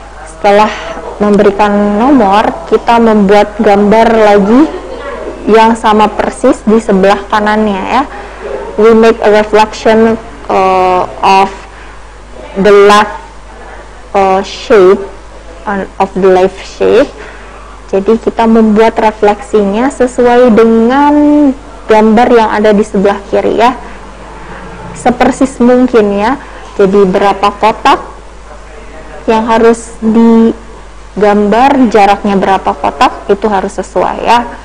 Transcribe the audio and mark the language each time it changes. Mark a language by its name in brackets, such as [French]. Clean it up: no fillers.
[Indonesian] Setelah memberikan nomor, kita membuat gambar lagi yang sama persis di sebelah kanannya ya. [English] We make a reflection of the left shape of the left shape. [Indonesian] Jadi kita membuat refleksinya sesuai dengan gambar yang ada di sebelah kiri ya. Sepersis mungkin ya. Jadi berapa kotak yang harus digambar, jaraknya berapa kotak, itu harus sesuai ya.